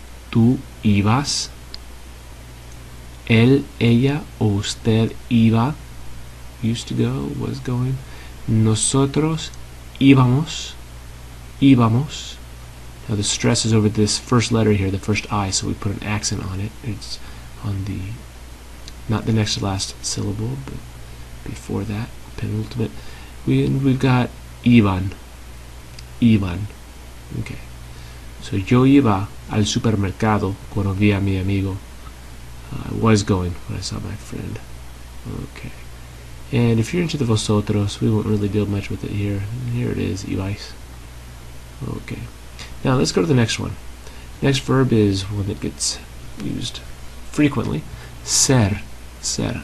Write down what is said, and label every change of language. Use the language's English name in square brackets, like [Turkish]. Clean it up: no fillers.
[Spanish] Tú ibas, él, ella, o usted iba, [English] used to go, was going, [Spanish] nosotros íbamos, [English] now the stress is over this first letter here, the first I, so we put an accent on it, it's on the, not the next to last syllable, but before that, penultimate, we've got iban, okay. [Spanish] So, yo iba al supermercado cuando vi a mi amigo. [English] I was going when I saw my friend. Okay. And if you're into the vosotros, we won't really deal much with it here. And here it is, ibais. Okay. Now, let's go to the next one. Next verb is one that gets used frequently. Ser. Ser.